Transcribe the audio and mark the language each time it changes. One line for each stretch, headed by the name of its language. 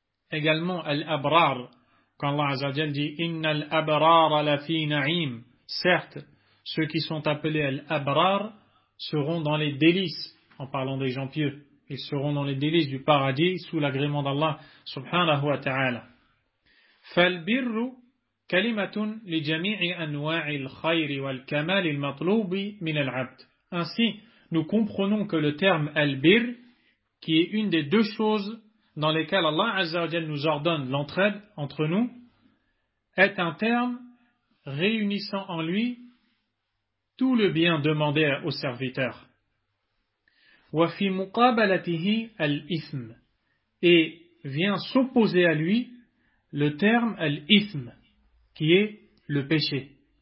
French: Également al-abrar. Quand Allah Azza wa Jal dit
Arabic: innal abrar la fi na'im.
French: Certes, ceux qui sont appelés al-abrar seront dans les délices, en parlant des gens pieux. Ils seront dans les délices du paradis sous l'agrément d'Allah subhanahu wa ta'ala.
Arabic: فَالْبِرُّ كَلِمَةٌ لِجَمِيعِ أَنْوَاعِ الْخَيْرِ وَالْكَمَالِ الْمَطْلُوبِ مِنَ الْعَبْدِ.
French: Ainsi, nous comprenons que le terme al-bir qui est une des deux choses dans lesquelles Allah Azza wa Jal nous ordonne l'entraide entre nous, est un terme réunissant en lui tout le bien demandé au serviteur.
Arabic: وَفِي مُقَابَلَتِهِ الْإِثْمِ
French: et vient s'opposer à lui le terme الْإِثْمِ qui est le péché.